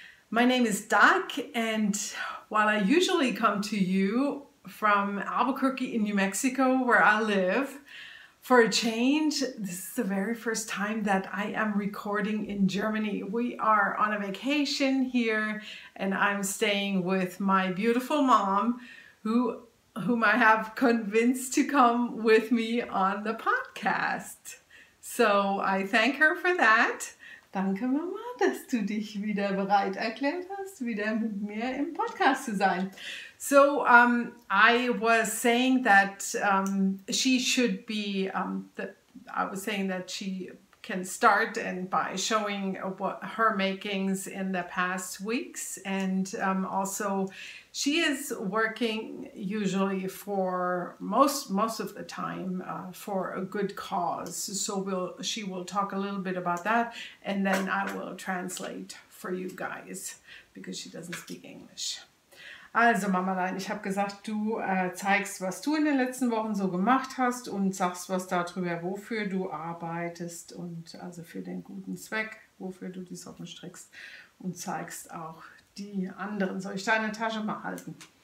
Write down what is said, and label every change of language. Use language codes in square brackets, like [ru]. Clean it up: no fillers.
[en] My name is Doc, and while I usually come to you from Albuquerque in New Mexico, where I live, for a change, this is the very first time that I am recording in Germany. We are on a vacation here, and I'm staying with my beautiful mom, whom I have convinced to come with me on the podcast. So I thank her for that. [de] Danke, Mama, dass du dich wieder bereit erklärt hast, wieder mit mir im Podcast zu sein. [en] So I was saying that she should be, I was saying that she can start and by showing what her makings in the past weeks. And also she is working usually for most of the time for a good cause. So she will talk a little bit about that, and then I will translate for you guys because she doesn't speak English. [de] Also, Mamalein, ich habe gesagt, du zeigst, was du in den letzten Wochen so gemacht hast und sagst was darüber, wofür du arbeitest und also für den guten Zweck, wofür du die Socken strickst und zeigst auch die anderen. Soll ich deine Tasche mal halten?